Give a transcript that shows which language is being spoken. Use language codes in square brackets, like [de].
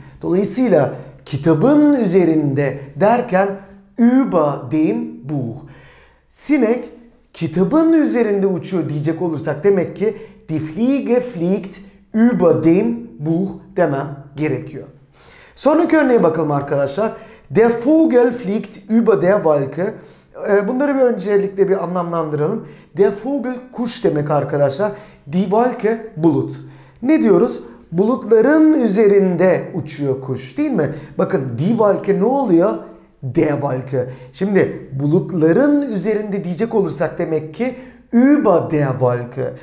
[tr] Dolayısıyla kitabın üzerinde derken [de] über dem Buch. [tr] Sinek kitabın üzerinde uçuyor diyecek olursak demek ki [de] Die Fliege fliegt über dem Buch [tr] demem gerekiyor. Sonraki örneğe bakalım arkadaşlar. [de] Der Vogel fliegt über der Wolke. [tr] Bunları bir öncelikle bir anlamlandıralım. Der Vogel kuş demek arkadaşlar. Die Wolke bulut. Ne diyoruz? Bulutların üzerinde uçuyor kuş değil mi? Bakın Die Wolke ne oluyor? Der Wolke. Şimdi bulutların üzerinde diyecek olursak demek ki [de] über der Wolke.